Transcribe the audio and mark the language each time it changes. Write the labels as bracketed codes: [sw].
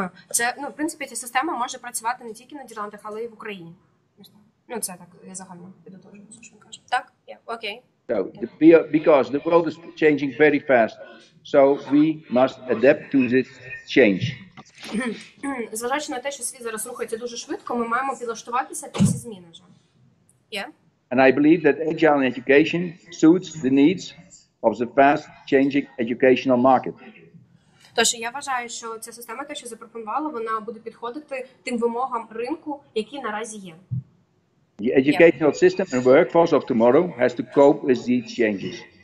[uk] Це, ну, в принципі, ця система може працювати не тільки на Нідерландах, але й в Україні. Ну, це так, я загально підотожую, що він каже. Так? [en] Yeah. Okay. So, because the world is changing very fast. So we must adapt to this change. [uk] Зважаючи на те, що світ зараз рухається дуже швидко, ми маємо підлаштуватися під ці зміни вже. [en] And I believe that agile education suits the needs of the fast changing educational market. [uk] Тож я вважаю, що ця система, те, що запропонувала, вона буде підходити тим вимогам ринку, які наразі є. [en] The educational system and workforce of tomorrow has to cope with these changes.